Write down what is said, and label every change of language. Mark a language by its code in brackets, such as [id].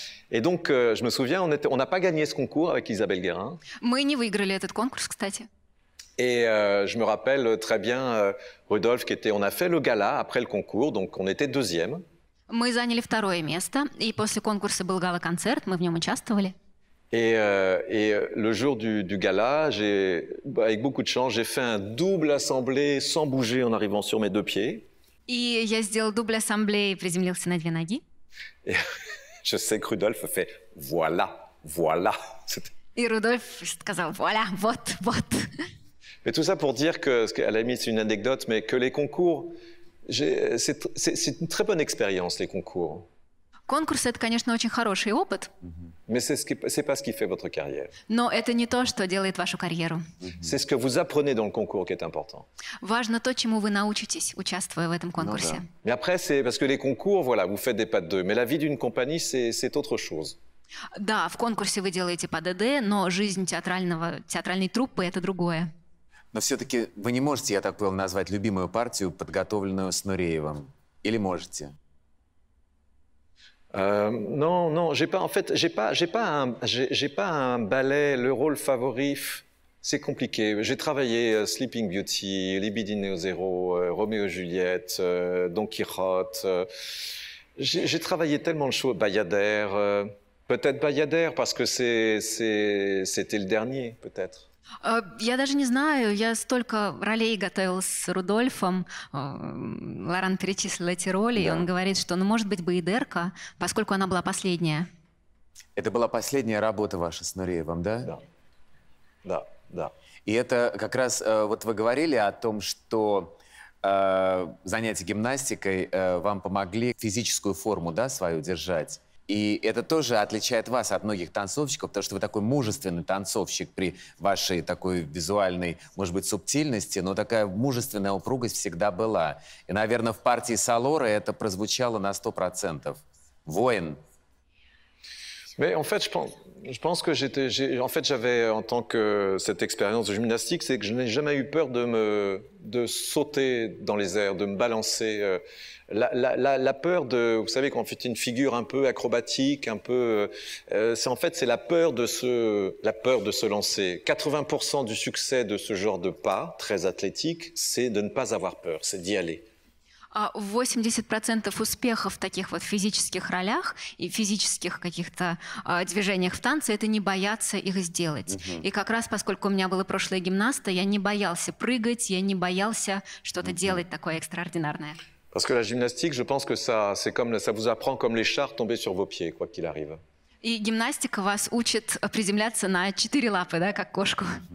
[fr] Et donc, je me souviens, on n'a pas gagné ce concours avec Isabelle Guérin. [ru] Мы не выиграли этот конкурс, кстати. [fr] Et je me rappelle très bien Rudolf qui était. On a fait le gala après le concours, donc on était deuxième. [ru] Мы заняли второе место, и после конкурса был гала-концерт, мы в нем участвовали. [fr] Et le jour du gala, avec beaucoup de chance, j'ai fait un double assemblé sans bouger en arrivant sur mes deux pieds. [ru] И я сделал double assemblé и приземлился на две ноги. [fr] Et je sais que Rudolf fait voilà, voilà. [ru] И Рудольф сказал voilà, вот, вот. [fr] Mais tout ça pour dire que, à la limite, c'est une anecdote, mais que les concours, c'est une très bonne expérience, les concours. [ru] Конкурс – это, конечно, очень хороший опыт. [fr] Mais c'est pas ce qui fait votre carrière. [ru] Но это не то, что делает вашу карьеру. [fr] C'est ce que vous apprenez dans le concours qui est important. [ru] Важно то, чему вы научитесь, участвуя в этом конкурсе. [fr] Mais après, c'est parce que les concours, voilà, vous faites des pas de deux. Mais la vie d'une compagnie, c'est autre chose. [ru] Да, в конкурсе вы делаете pas de deux, но жизнь театральной труппы – это другое. Но все-таки вы не можете, я так понял, назвать любимую партию, подготовленную с Нуреевым. Или можете? [fr] Non, j'ai pas, en fait, j'ai pas un ballet, le rôle favori, c'est compliqué. J'ai travaillé Sleeping Beauty, Libidine au zéro, Roméo et Juliette, Don Quixote. J'ai travaillé tellement de choses, Bayadère, peut-être Bayadère, parce que c'était le dernier, peut-être. [ru] Я даже не знаю, я столько ролей готовил с Рудольфом. Лоран перечислил эти роли, да. И он говорит, что, ну, может быть, Байдерка, поскольку она была последняя. Это была последняя работа ваша с Нуреевым, да? Да. Да, да. И это как раз, вот вы говорили о том, что занятия гимнастикой вам помогли физическую форму, да, свою держать. И это тоже отличает вас от многих танцовщиков, потому что вы такой мужественный танцовщик при вашей такой визуальной, может быть, субтильности, но такая мужественная упругость всегда была. И, наверное, в партии с Алорой это прозвучало на 100%. Воин. [fr] Mais en fait, je pense que j'avais en tant que cette expérience de gymnastique, c'est que je n'ai jamais eu peur de sauter dans les airs, de me balancer. La peur de, vous savez, quand on fait une figure un peu acrobatique, un peu, c'est la peur de se lancer. 80% du succès de ce genre de pas très athlétique, c'est de ne pas avoir peur, c'est d'y aller. [ru] 80% успеха в таких вот физических ролях и физических каких-то движениях в танце – это не бояться их сделать. И как раз поскольку у меня было прошлое гимнаста, я не боялся прыгать, я не боялся что-то делать такое экстраординарное. [fr] Parce que la gymnastique, je pense que ça vous apprend comme les chars tombés sur vos pieds, quoi qu'il arrive. [ru] И гимнастика вас учит приземляться на четыре лапы, да, как кошку.